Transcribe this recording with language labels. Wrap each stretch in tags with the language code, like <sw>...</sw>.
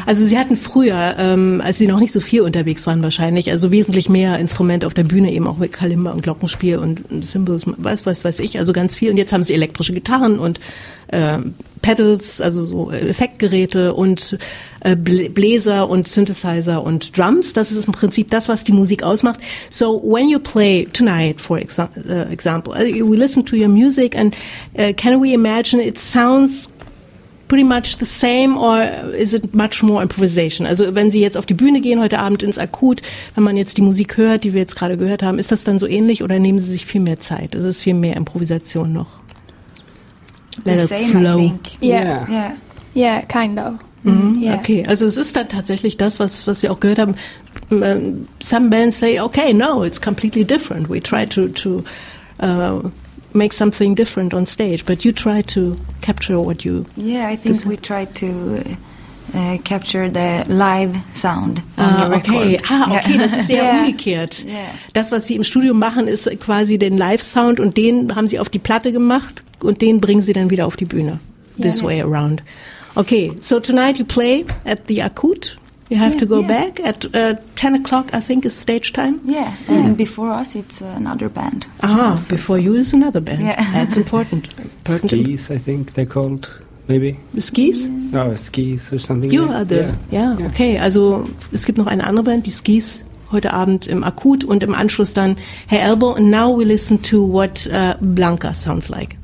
<de>Also Sie hatten früher, als Sie noch nicht so viel unterwegs waren wahrscheinlich, also wesentlich mehr Instrumente auf der Bühne, eben auch mit Kalimba und Glockenspiel und Cymbals, weiß ich, also ganz viel. Und jetzt haben Sie elektrische Gitarren und Pedals, also so Effektgeräte und Bläser und Synthesizer und Drums. Das ist im Prinzip das, was die Musik ausmacht.</de> <en>So when you play tonight, for example, we listen to your music and can we imagine it sounds pretty much the same or is it much more improvisation?</en> <de>Also wenn Sie jetzt auf die Bühne gehen heute Abend ins Akut, wenn man jetzt die Musik hört, die wir jetzt gerade gehört haben, ist das dann so ähnlich oder nehmen Sie sich viel mehr Zeit? Ist es viel mehr Improvisation noch?</de> <en>Let the same, flow. I think. Yeah. Yeah. Yeah, kind of. Mm-hmm. Yeah.</en> <de>Okay, also es ist dann tatsächlich das, was wir auch gehört haben.</de> <en>Some bands say, okay, no, it's completely different. We try to make something different on stage, but you try to capture what you... Yeah, I think we try to... capture the live sound on the record.</en> <de>Okay, das ist sehr umgekehrt.</de> <en>Yeah.</en> <de>Das, was Sie im Studio machen, ist quasi den Live-Sound und den haben Sie auf die Platte gemacht und den bringen Sie dann wieder auf die Bühne.</de> <en>Yeah, this way around. Okay, so tonight you play at the Akut. You have to go back at 10 o'clock, I think, is stage time. Yeah, and before us, it's another band. Before you is another band. Yeah. That's important. Skis, I think they're called, maybe. The Skis? Yeah. Oh, Skis or something. You are the, okay.</en> <de>Also, es gibt noch eine andere Band, die Skis, heute Abend im Akut und im Anschluss dann Herr Elbow.</de> <en>And now we listen to what Blanca sounds like.</en>